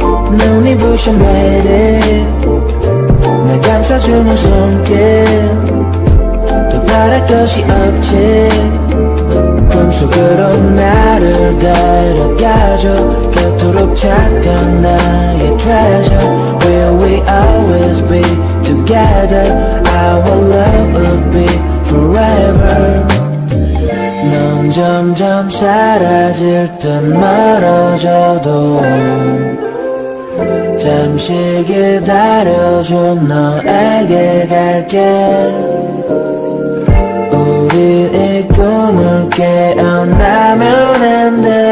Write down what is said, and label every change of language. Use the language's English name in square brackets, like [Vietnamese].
[Korean] 눈이 부셔 매일에 날 감싸주는 손길 더 바랄 것이 없지. 꿈속으로 나를 데려가줘 그토록 찾던 나의 treasure. [English] Will we always be together? Our love would be forever. [Korean] 넌 점점 사라질 듯 멀어져도 잠시 기다려줘 너에게 갈게. 우리 이 꿈을 깨어나면 안 돼.